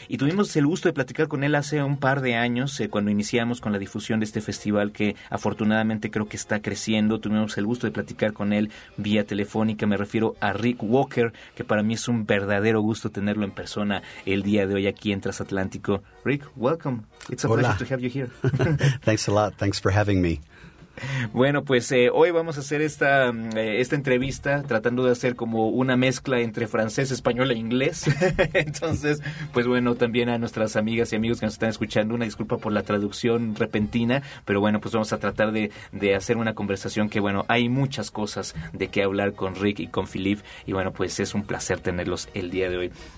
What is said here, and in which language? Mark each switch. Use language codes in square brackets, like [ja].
[es] Y tuvimos el gusto de platicar con él hace un par de años, cuando iniciamos con la difusión de este festival, que afortunadamente creo que está creciendo. Tuvimos el gusto de platicar con él vía telefónica, me refiero a Rick Walker, que para mí es un verdadero gusto tenerlo en persona el día de hoy aquí en Transatlántico. [en] Rick, welcome. It's a pleasure to have you here. Thanks a lot. Thanks for having me. [es] Bueno, pues hoy vamos a hacer esta entrevista tratando de hacer como una mezcla entre francés, español e inglés. Entonces, pues bueno, también a nuestras amigas y amigos que nos están escuchando, una disculpa por la traducción repentina, pero bueno, pues vamos a tratar de hacer una conversación que, bueno, hay muchas cosas de qué hablar con Rick y con Philippe, y bueno, pues es un placer tenerlos el día de hoy.